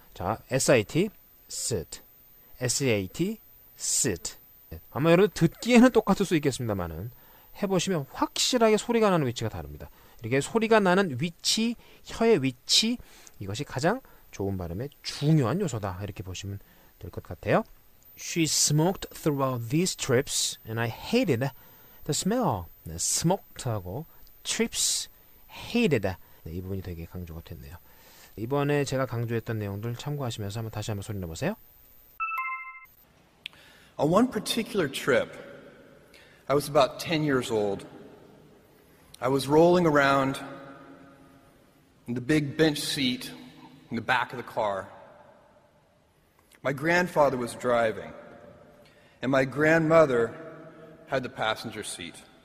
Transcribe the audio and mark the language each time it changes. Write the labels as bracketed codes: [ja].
[en] 자, SIT, sit. SAT, sit. [ko] 아마 여러분 듣기에는 똑같을 수 있겠습니다만은 해보시면 확실하게 소리가 나는 위치가 다릅니다. 이렇게 소리가 나는 위치, 혀의 위치, 이것이 가장 좋은 발음의 중요한 요소다. 이렇게 보시면 될 것 같아요. [en] She smoked throughout these trips and I hated the smell. Smoked 하고 trips. Hated. [ko] 네, 이 부분이 되게 강조가 됐네요. 이번에 제가 강조했던 내용들 참고하시면서 한번 다시 한번 소리 내보세요. [en] On one particular trip, I was about 10 years old. I was rolling around in the big bench seat in the back of the car. My grandfather was driving, and my grandmother had the passenger seat.